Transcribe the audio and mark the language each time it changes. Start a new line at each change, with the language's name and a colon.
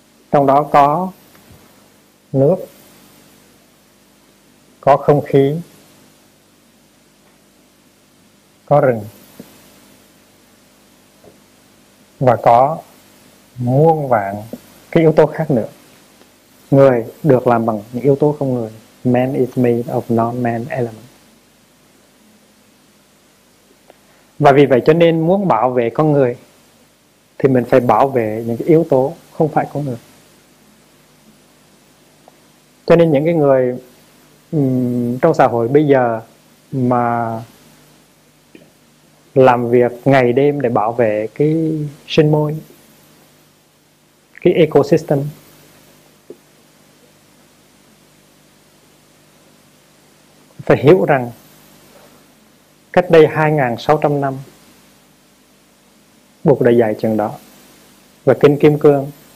Vietnamese: Trong đó có nước, có không khí, có rừng, và có muôn vạn cái yếu tố khác nữa. Người được làm bằng những yếu tố không người.
English: Man is made of non-man elements.
Vietnamese: Và vì vậy cho nên muốn bảo vệ con người thì mình phải bảo vệ những cái yếu tố không phải con người. Cho nên những cái người trong xã hội bây giờ mà làm việc ngày đêm để bảo vệ cái sinh môi, cái ecosystem, phải hiểu rằng cách đây 2600 năm Bụt đã dạy chuyện đó. Và kinh Kim Cương